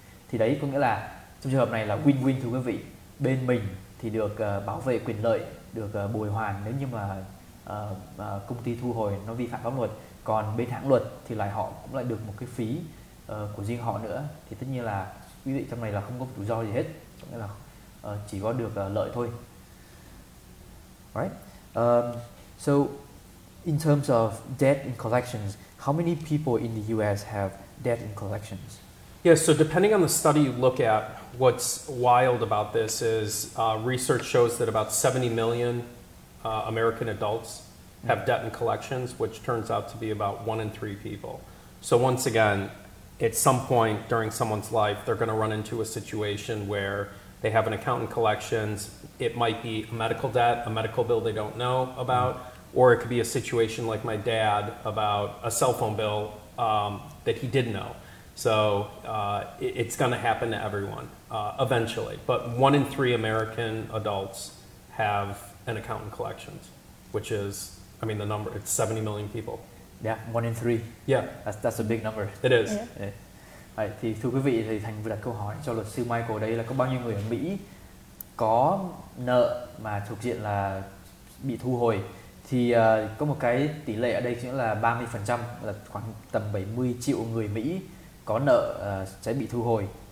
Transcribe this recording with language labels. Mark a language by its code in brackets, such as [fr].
[vi] Thì đấy có nghĩa là trong trường hợp này là win-win thưa quý vị. Bên mình thì được bảo vệ quyền lợi, được bồi hoàn nếu như mà công ty thu hồi nó vi phạm pháp luật. Còn bên hãng luật thì lại họ cũng lại được một cái phí của riêng họ nữa. Thì tất nhiên là quý vị trong này là không có rủi ro gì hết, có nghĩa là chỉ có được lợi thôi. [en] Right. So in terms of debt and collections, how many people in the US have debt and collections? Yes, so depending on the study you look at, what's wild about this is research shows that about 70 million American adults have debt and collections, which turns out to be about 1 in 3 people. So once again, at some point during someone's life, they're going to run into a situation where they have an account in collections. It might be a medical debt, a medical bill they don't know about, or it could be a situation like my dad about a cell phone bill that he didn't know. So it's going to happen to everyone eventually. But 1 in 3 American adults have an account in collections, which is, I mean, the number, it's 70 million people. Yeah, 1 in 3. Yeah. That's a big number. It is. Yeah. [vi] Yeah. Right, thì thưa quý vị, thì Thành vừa đặt câu hỏi cho luật sư Michael đây là có bao nhiêu người ở Mỹ có nợ mà thuộc diện là bị thu hồi. Thì có một cái tỷ lệ ở đây chính là 30%, là khoảng tầm 70 triệu người Mỹ có nợ sẽ bị thu hồi.